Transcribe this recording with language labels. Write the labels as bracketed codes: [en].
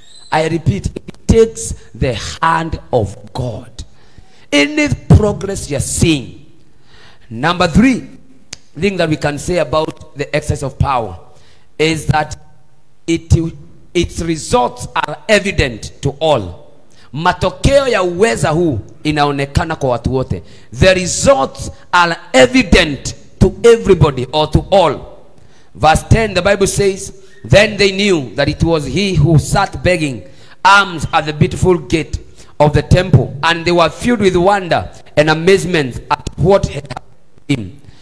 [en] I repeat, it takes the hand of God. In this progress you are seeing. Number three thing that we can say about the excess of power is that its results are evident to all. [sw] Matokeo ya uweza huu inaonekana kwa watu wote. [en] The results are evident to everybody or to all. Verse 10, the Bible says, then they knew that it was he who sat begging alms at the beautiful gate of the temple, and they were filled with wonder and amazement at what had happened to him.